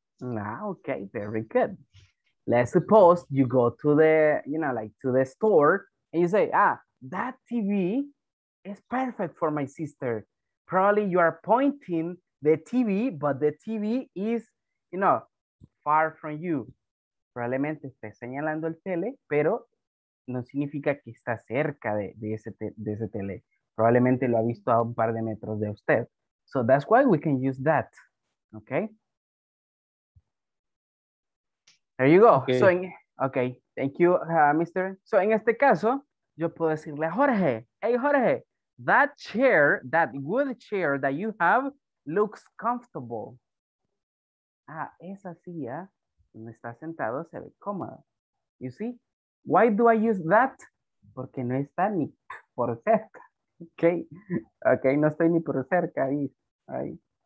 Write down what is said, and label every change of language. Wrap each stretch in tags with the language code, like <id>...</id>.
<en>Ah, okay, very good. Let's suppose you go to the, you know, like to the store and you say, ah, that TV is perfect for my sister. Probably you are pointing the TV, but the TV is, you know, far from you.</en> <es>Probablemente esté señalando el tele, pero no significa que está cerca de ese tele. Probablemente lo ha visto a un par de metros de usted.</es> <en>So that's why we can use that, okay? There you go. Okay. So, okay, thank you, Mr. So in este caso, yo puedo decirle a Jorge, hey Jorge, that chair, that wood chair that you have looks comfortable.</en> <es>Ah, esa silla donde está sentado se ve cómoda. You see? Why do I use that? Porque no está ni por cerca. Okay, okay, no estoy ni por cerca ahí, ahí.</es>